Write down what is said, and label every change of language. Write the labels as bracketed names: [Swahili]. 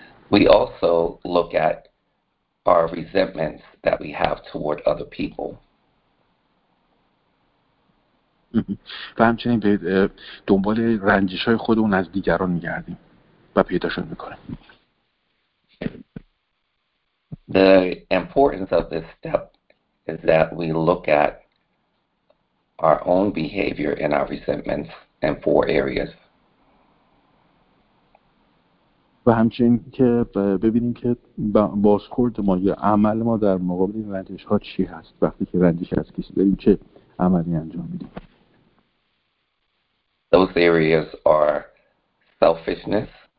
[English] We also look at our resentments that we have toward other people. [Persian] و همچنین به دنبال رنجش های خودمون از دیگران میگردیم و پیداشون میکنیم. [English] The importance of this step is that we look at our own behavior and our resentments in four areas. [Persian] و همچنین که ببینیم که بازخورد ما یا عمل ما در مقابل رنجش ها چی هست وقتی که رنجش از کسی داریم چه عملی انجام میدیم. [English] Those areas are selfishness,